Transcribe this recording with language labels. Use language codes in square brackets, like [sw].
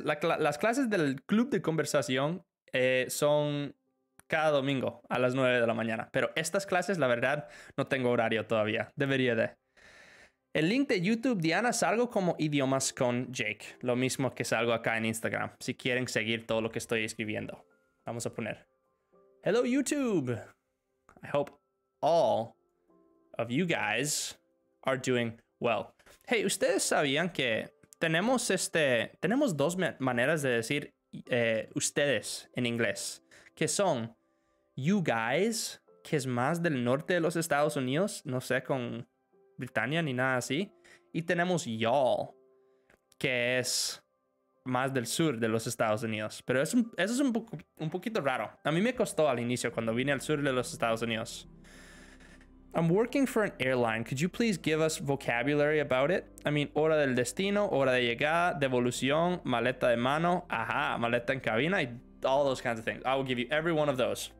[es] Las clases del club de conversación son cada domingo a las 9 de la mañana. Pero estas clases, la verdad, no tengo horario todavía. Debería de. El link de YouTube, Diana, salgo como idiomas con Jake. Lo mismo que salgo acá en Instagram. Si quieren seguir todo lo que estoy escribiendo. Vamos a poner. [en] Hello, YouTube. I hope all of you guys are doing well. [es] Hey, ¿ustedes sabían que tenemos tenemos dos maneras de decir ustedes en inglés? Que son you guys, que es más del norte de los Estados Unidos. No sé, con Britania ni nada así. Y tenemos y'all, que es más del sur de los Estados Unidos. Pero eso es un poquito raro. A mí me costó al inicio cuando vine al sur de los Estados Unidos. [en] I'm working for an airline. Could you please give us vocabulary about it? I mean, [es] hora del destino, hora de llegada, devolución, maleta de mano, ajá, maleta en cabina, y [en] all those kinds of things. I will give you every one of those.